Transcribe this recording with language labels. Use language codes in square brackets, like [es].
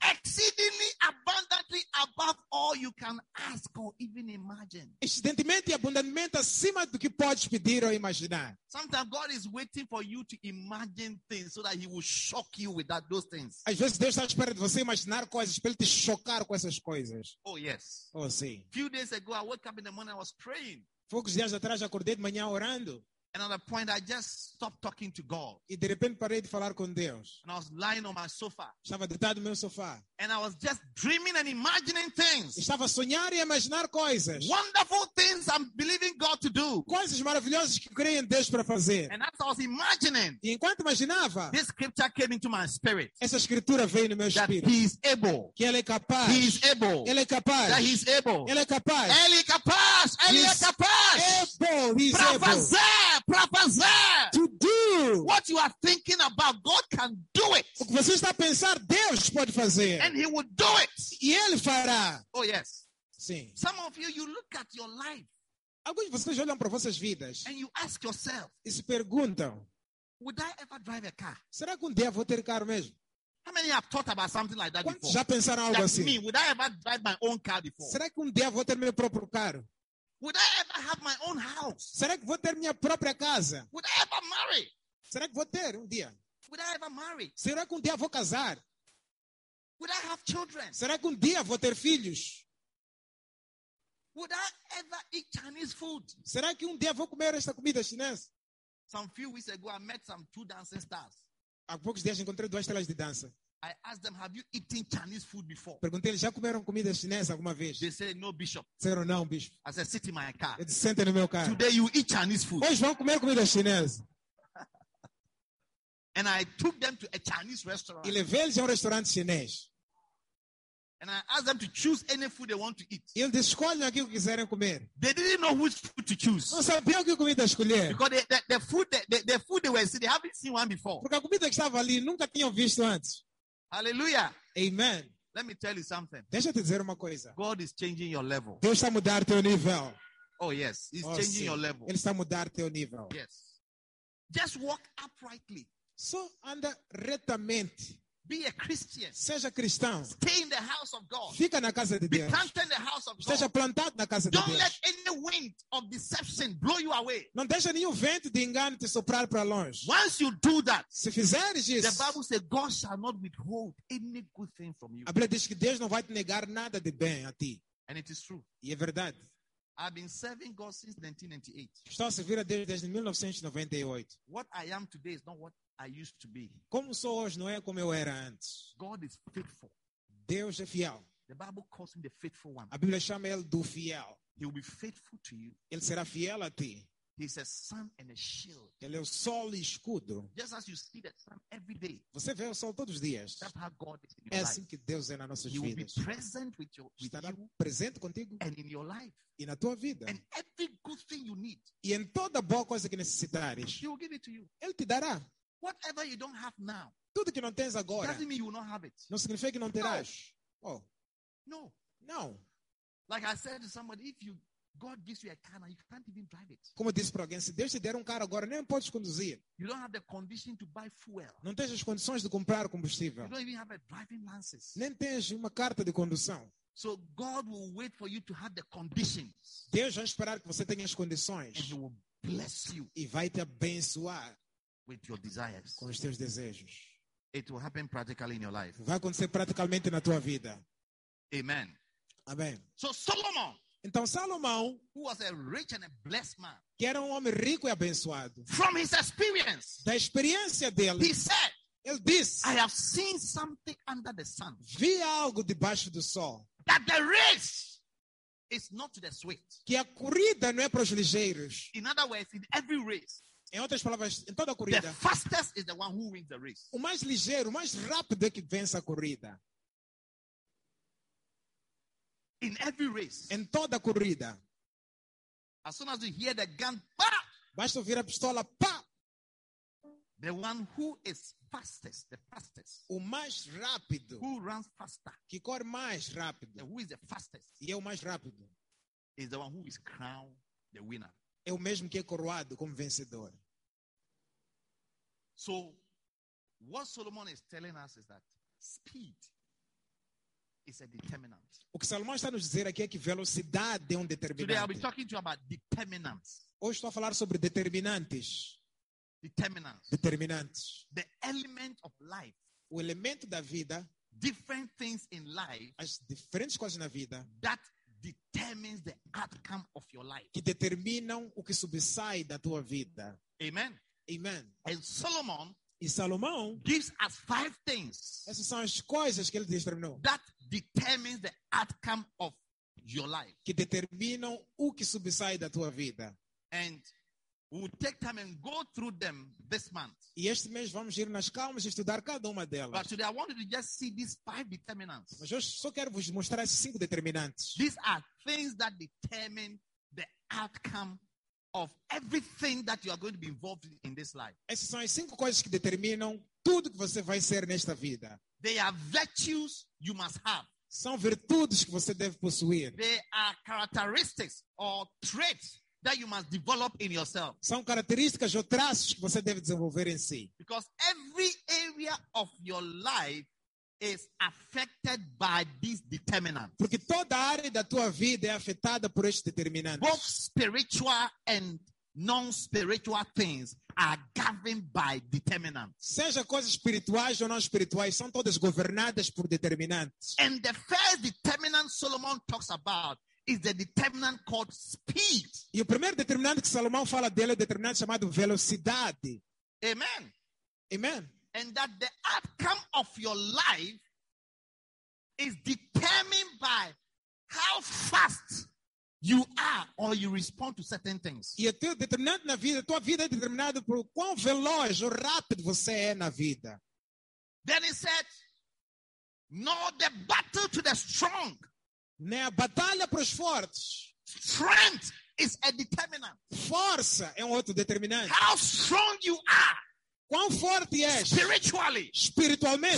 [en] exceedingly abundantly above all you can ask or even imagine. [pt] Excedentemente e abundantemente acima do que podes pedir ou imaginar. [en] Sometimes God is waiting for you to imagine things so that he will shock you with that, those things. [pt] Às vezes Deus está esperando você imaginar coisas para ele te chocar com essas coisas. [en] Oh, yes. [pt] Oh, sim. [en] A few days ago, I woke up in the morning, I was praying. [pt] Poucos dias atrás, acordei de manhã orando. [en] And at a point, I just stopped talking to God. [pt] E de repente parei de falar com Deus. [en] And I was lying on my sofa. [pt] Estava deitado no meu sofá. [en] And I was just dreaming and imagining things. [pt] Estava a sonhar e imaginar coisas. [en] Wonderful things I'm believing God to do. [pt] Coisas maravilhosas que creio em Deus para fazer. [en] And as I was imagining, [pt] e enquanto imaginava, [en] this scripture came into my spirit. [pt] Essa escritura veio no meu [en] that [pt] espírito. [en] He is able. [pt] Que ele é capaz. [en] He is able. [pt] Ele é capaz. [en] That he is able. [pt] Ele é capaz. Ele é capaz. Ele [en] he's [pt] é capaz. [en] Able. He is [pt] pra [en] able. [pt] Para fazer. Para fazer. [en] To do. What you are thinking about, God can do it. [pt] O que você está a pensar, Deus pode fazer. [en] And he will do it. [pt] E ele fará. [en] Oh, yes. [pt] Sim. [en] Some of you, you look at your life. [pt] Alguns de vocês olham para vossas vidas. [en] And you ask yourself. [pt] E se perguntam. [en] Would I ever drive a car? [pt] Será que um dia vou ter carro mesmo? [en] How many have thought about something like that before? [pt] Já pensaram algo assim? [en] Me, would I ever drive my own car before? [pt] Será que dia vou ter meu próprio carro? [en] Would I ever have my own house? [pt] Será que vou ter minha própria casa? [en] Would I ever marry? [pt] Será que vou ter dia? [en] Would I ever marry? [pt] Será que dia vou casar? [en] Would I have children? [pt] Será que dia vou ter filhos? [en] Would I ever eat Chinese food? [pt] Será que dia vou comer esta comida chinesa? [en] Some few weeks ago, I met some two dancing stars. [pt] Há poucos dias encontrei duas estrelas de dança. [en] I asked them, have you eaten Chinese food before? [pt] Perguntei-lhes, já comeram comida chinesa alguma vez? [en] They said, no, bishop. [pt] Disseram, não, bispo. [en] I said, sit in my car. [pt] Eles sentem no meu carro. [en] Today you eat Chinese food. [pt] Hoje vão comer comida chinesa. [en] And I took them to a Chinese restaurant. [pt] E levei-lhes a restaurante chinês. [en] And I asked them to choose any food they want to eat. [pt] E eles escolhem aquilo que quiserem comer. [en] They didn't know which food to choose. [pt] Não sabiam que comida escolher. [en] Because the food they were seeing, they haven't seen one before. [pt] Porque a comida que estava ali nunca tinham visto antes. [en] Hallelujah. [pt] Amen. [en] Let me tell you something. [pt] Deixa eu te dizer uma coisa. [en] God is changing your level. [pt] Deus está a mudar teu nível. [en] Oh yes, he's changing [pt] sim. [en] Your level. [pt] Ele está a mudar teu nível. [en] Yes. Just walk uprightly. [pt] So anda retamente. [en] Be a Christian. [pt] Seja cristão. [en] Stay in the house of God. [pt] Fica na casa de Deus. [en] Be planted in the house of God. [pt] Seja plantado na casa de Deus. [en] Don't let any wind of deception blow you away. [pt] Não deixa nenhum vento de engano te soprar para longe. [en] Once you do that, [pt] se fizeres isso, [en] the Bible says God shall not withhold any good thing from you. [pt] A Bíblia diz que Deus não vai te negar nada de bem a ti. [en] And it is true. [pt] E é verdade. [en] I've been serving God since 1998. [pt] Estou a servir a Deus desde 1998. [en] What I am today is not what I used to be. [pt] Como sou hoje não é como eu era antes. [en] God is faithful. [pt] Deus é fiel. [en] The Bible calls him the faithful one. [pt] A Bíblia chama ele do fiel. [en] He will be faithful to you. [pt] Ele será fiel a ti. [en] He's a sun and a shield. [pt] Ele é o sol e escudo. [en] Just as you see the sun every day. [pt] Você vê o sol todos os dias. [en] That's how God is in your [pt] é assim [en] life. [pt] Que Deus é na nossa vida. [en] He [pt] vidas. [en] Will be present with you. [pt] Estará [en] with [pt] presente [en] you [pt] contigo. [en] And in your life. [pt] E na tua vida. [en] And every good thing you need. [pt] E em toda boa coisa que necessitares. [en] He will give it to you. [pt] Ele te dará. [en] Whatever you don't have now. [pt] Tudo que não tens agora. [en] Doesn't mean you will not have it. [pt] Não significa que não terás. [en] No. Oh. No. No. Like I said to somebody, if you God gives you a car and you can't even drive it. [pt] Como disse para alguém, se Deus te der carro agora, nem podes conduzir. [en] You don't have the condition to buy fuel. [pt] Não tens as condições de comprar combustível. [en] You don't even have a driving license. [pt] Nem tens uma carta de condução. [en] So God will wait for you to have the conditions. [pt] Deus vai esperar que você tenha as condições. [en] And he will bless you. [pt] E vai te abençoar. [en] With your desires. [pt] Com os teus desejos. [en] It will happen practically in your life. [pt] Vai acontecer praticamente na tua vida. [en] Amen. [pt] Amém. [en] So Solomon. [pt] Então Salomão, [en] who was a rich and a blessed man, [pt] que era homem rico e abençoado, [en] from his experience, [pt] da experiência dele, [en] he said, [pt] ele disse, [en] I have seen something under the sun, [pt] vi algo debaixo do sol, [en] that the race is not to the swift, [pt] que a corrida não é para os ligeiros. [en] In other words, in every race, [pt] em outras palavras, em toda a corrida, [en] the fastest is the one who wins the race. [pt] O mais ligeiro, o mais rápido é que vence a corrida. [en] In every race. [pt] Em toda a corrida. [en] As soon as you hear the gun, pa! [pt] Basta ouvir a pistola, pa! [en] The one who is fastest, the fastest. [pt] O mais rápido. [en] Who runs faster. [pt] Que corre mais rápido. [en] The who is the fastest. [pt] E é o mais rápido. [en] Is the one who is crowned the winner. [pt] É o mesmo que é coroado como vencedor. [en] So, what Solomon is telling us is that speed. It's a determinant. [pt] O que Salomão está nos dizer aqui é que velocidade é determinante. [en] Today I'll be talking to you about determinants. [pt] Hoje estou a falar sobre determinantes. [en] Determinants. [pt] Determinantes. [en] The element of life. [pt] O elemento da vida. [en] Different things in life. [pt] As diferentes coisas na vida. [en] That determines the outcome of your life. [pt] Que determinam o que subsai da tua vida. [en] Amen. [pt] Amen. [en] And Solomon. [pt] E Salomão [en] gives us five things. [pt] Essas são as coisas que ele determinou. [en] That determines the outcome of your life. [pt] Que determinam o que subsai da tua vida. [en] And we'll take time and go through them this month. [pt] E este mês vamos ir nas calmas e estudar cada uma delas. [en] But today I wanted to just see these five determinants. [pt] Mas hoje só quero vos mostrar esses cinco determinantes. [en] These are things that determine the outcome of everything that you are going to be involved in this life. [pt] Essas são as cinco coisas que determinam tudo que você vai ser nesta vida. [en] They are virtues you must have. [pt] São virtudes que você deve possuir. [en] They are characteristics or traits that you must develop in yourself. [pt] São características ou traços que você deve desenvolver em si. [en] Because every area of your life is affected by this determinant. [pt] Porque toda área da tua vida é afetada por este determinante. [en] Both spiritual and non-spiritual things are governed by determinants. [pt] Seja coisas espirituais ou não espirituais, são todas governadas por determinantes. [en] And the first determinant Solomon talks about is the determinant called speed. [pt] E o primeiro determinante que Salomão fala dele é o determinante chamado velocidade. [en] Amen. [pt] Amen. [en] And that the outcome of your life is determined by how fast you are or you respond to certain things. [pt] E o teu determinante na vida, tua vida é determinada por quão veloz ou rápido você é na vida. [en] Then he said, "Nor the battle to the strong." [pt] Né, a batalha para os fortes. [en] Strength is a determinant. [pt] Força é outro determinante. [en] How strong you are. [pt] Quão forte és. [en] Spiritually. [pt] Espiritualmente.